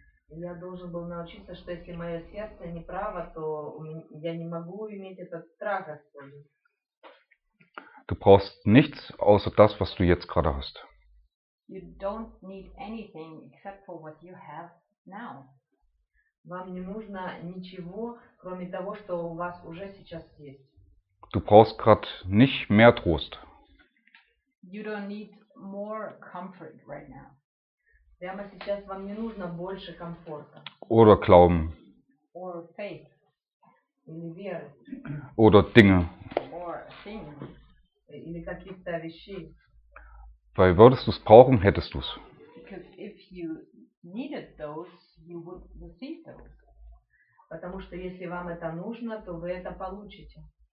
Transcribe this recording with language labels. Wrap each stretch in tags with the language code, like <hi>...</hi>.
<ru>Я должен был научиться, что если мое сердце не право, то я не могу иметь этот страх Господень.</ru> <de>Du brauchst nichts außer das, was du jetzt gerade hast.</de> <en>You don't need anything except for what you have now.</en> <ru>Вам не нужно ничего, кроме того, что у вас уже сейчас есть.</ru> <de>Du brauchst gerade nicht mehr Trost.</de> <en>You don't need more comfort right now.</en> <ru>Прямо сейчас вам не нужно больше комфорта.</ru> <de>Oder Glauben.</de> <en>Or faith.</en> <ru>Или веры.</ru> <de>Oder Dinge.</de> <en>Or things.</en> <ru>Или каких-то вещей.</ru> <de>Weil würdest du es brauchen, hättest du es.</de> <en>Because if you needed those, you would receive those.</en> <ru>Потому что если вам это нужно, то вы это получите.</ru>